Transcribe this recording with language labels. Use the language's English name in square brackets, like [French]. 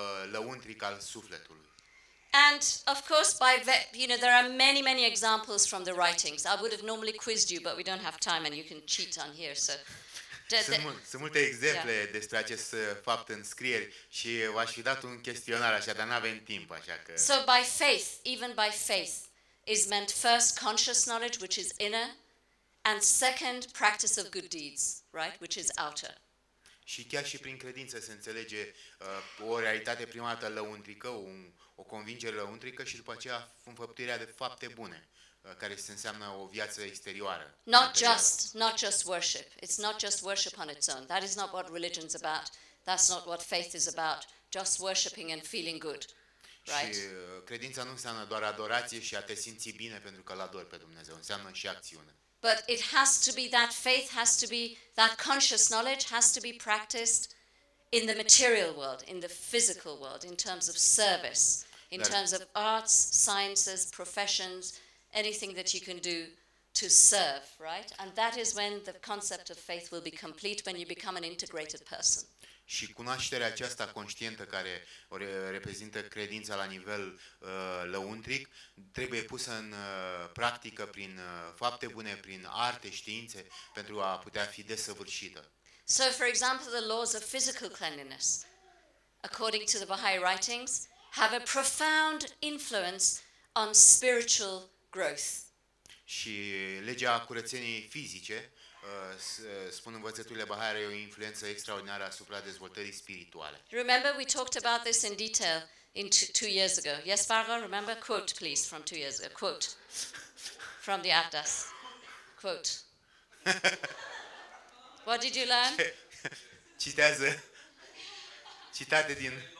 [Romanian] lăuntric al sufletului. [English] And of course by you know there are many many examples from the writings. I would have normally quizzed you but we don't have time and you can cheat on here so. [Romanian] Sunt multe exemple yeah. despre acest fapt în scrieri și v-aș fi dat un chestionar așa dar n-avem timp așa că. [English] So by faith, even by faith is meant first conscious knowledge which is inner and second practice of good deeds, right, which is outer. [Romanian] Și chiar și prin credință se înțelege o realitate primată lăuntrică, o convingere lăuntrică și după aceea înfăptuirea de fapte bune, care se înseamnă o viață exterioară. [English] Not just worship. It's not just worship on its own. That is not what religion's about. That's not what faith is about. Just worshiping and feeling good. Right? [Romanian] Și credința nu înseamnă doar adorație și a te simți bine pentru că îl adori pe Dumnezeu. Înseamnă și acțiune. [English] But it has to be that faith has to be that conscious knowledge has to be practiced in the material world, in the physical world, in terms of service, in terms of arts, sciences, professions, anything that you can do to serve, right? And that is when the concept of faith will be complete, when you become an integrated person. [Romanian] Și cunoașterea aceasta conștientă care o reprezintă credința la nivel lăuntric trebuie pusă în practică prin fapte bune, prin arte, științe, pentru a putea fi desăvârșită. [English] So, for example, the laws of physical cleanliness, according to the Baha'i writings, have a profound influence on spiritual growth. [Romanian] Și legea curățeniei fizice, spun învățăturile Baha'i, are o influență extraordinară asupra dezvoltării spirituale. [English] Remember, we talked about this in detail in two years ago. Yes, Fargo, remember? Quote, please, from 2 years ago. Quote. From the Atlas. Quote. What did you learn? [Romanian] Citează. Citate din.